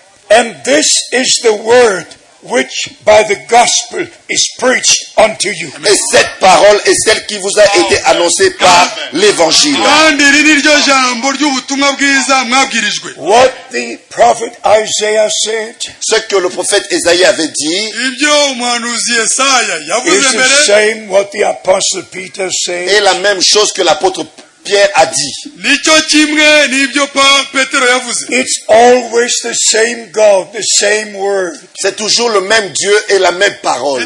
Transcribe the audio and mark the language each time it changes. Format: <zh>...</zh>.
<en>And this is the word which by the gospel is preached unto you.</en> <fr>Et cette parole est celle qui vous a été annoncée par l'évangile.</fr> <en>What the prophet Isaiah said,</en> <fr>ce que le prophète Esaïe avait dit,</fr> <en>is the same what the apostle Peter said,</en> <fr>est la même chose que l'apôtre Pierre a dit.</fr> <en>It's always the same God, the same word.</en> <fr>C'est toujours le même Dieu et la même parole.</fr>